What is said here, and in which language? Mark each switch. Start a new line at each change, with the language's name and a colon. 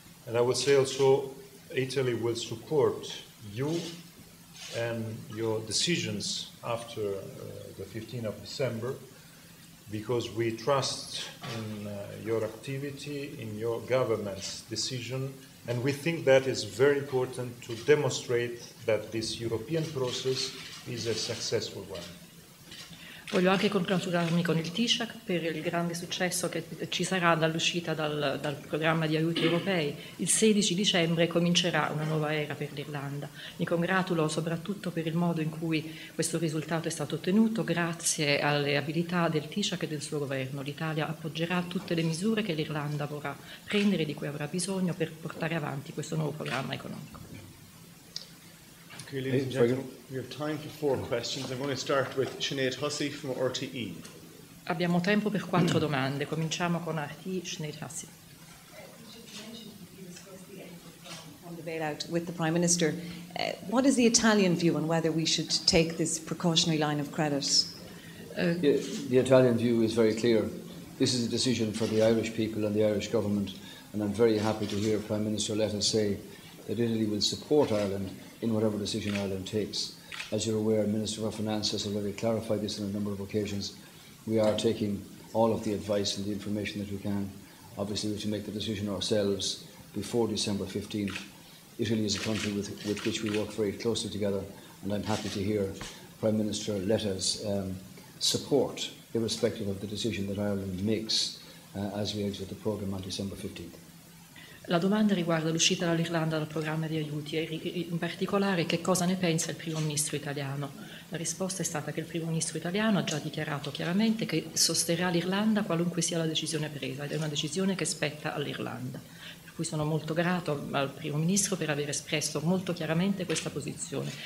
English: And I would say also Italy will support you and your decisions after the 15th of December, because we trust in your activity, in your government's decision, and we think that is very important to demonstrate that this European process is a successful one.
Italian: Voglio anche congratularmi con il Taoiseach per il grande successo che ci sarà dall'uscita dal programma di aiuti europei. Il 16 dicembre comincerà una nuova era per l'Irlanda. Mi congratulo soprattutto per il modo in cui questo risultato è stato ottenuto grazie alle abilità del Taoiseach e del suo governo. L'Italia appoggerà tutte le misure che l'Irlanda vorrà prendere e di cui avrà bisogno per portare avanti questo nuovo programma economico.
English: Ladies and gentlemen, we have time for 4 questions. I'm going to start with Sinead Hussey from RTE.
Italian: Abbiamo tempo per 4 domande. Cominciamo con RTE, Sinead Hussey.
English: You discussed the end of the bailout with the Prime Minister. What is the Italian view on whether we should take this precautionary line of credit? The Italian view is very clear. This is a decision for the Irish people and the Irish government, and I'm very happy to hear Prime Minister Letta say that Italy will support Ireland in whatever decision Ireland takes. As you're aware, Minister of Finance has already clarified this on a number of occasions. We are taking all of the advice and the information that we can. Obviously, we have to make the decision ourselves before December 15th. Italy is a country with which we work very closely together, and I'm happy to hear Prime Minister Letta's support, irrespective of the decision that Ireland makes as we exit the programme on December 15th.
Italian: La domanda riguarda l'uscita dall'Irlanda dal programma di aiuti e in particolare che cosa ne pensa il primo ministro italiano. La risposta è stata che il primo ministro italiano ha già dichiarato chiaramente che sosterrà l'Irlanda qualunque sia la decisione presa ed è una decisione che spetta all'Irlanda. Per cui sono molto grato al primo ministro per aver espresso molto chiaramente questa posizione.